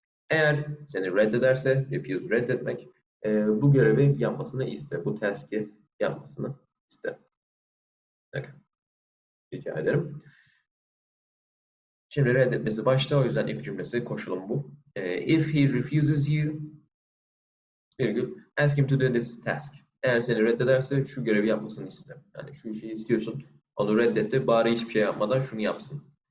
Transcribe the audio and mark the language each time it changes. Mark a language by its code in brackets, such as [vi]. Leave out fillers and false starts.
[tr] Eğer seni reddederse, refuse reddetmek, bu görevi yapmasını iste, bu task'i yapmasını iste. Okay. Rica ederim. Şimdi reddetmesi başta, o yüzden if cümlesi, koşulum bu. [en] If he refuses you, ask him to do this task. [tr] Eğer seni reddederse şu görevi yapmasını iste. Yani şu işi istiyorsun, onu reddetti, bari hiçbir şey yapmadan şunu yapsın.